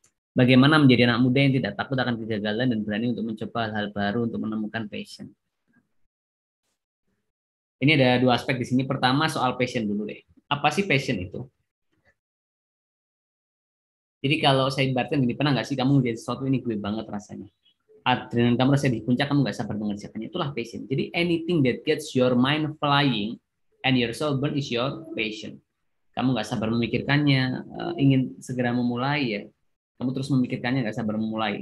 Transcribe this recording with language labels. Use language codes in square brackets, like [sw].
[id] Bagaimana menjadi anak muda yang tidak takut akan kegagalan dan berani untuk mencoba hal-hal baru untuk menemukan passion? Ini ada dua aspek di sini. Pertama, soal passion dulu deh. Apa sih passion itu? Jadi kalau saya ibaratkan gini, pernah nggak sih kamu ngerjain sesuatu ini gue banget rasanya? Adrenalin kamu rasanya di puncak, kamu nggak sabar mengerjakannya. Itulah passion. [en] Jadi anything that gets your mind flying and your soul burn is your passion. [id] Kamu nggak sabar memikirkannya, ingin segera memulai ya. Kamu terus memikirkannya, nggak sabar memulai.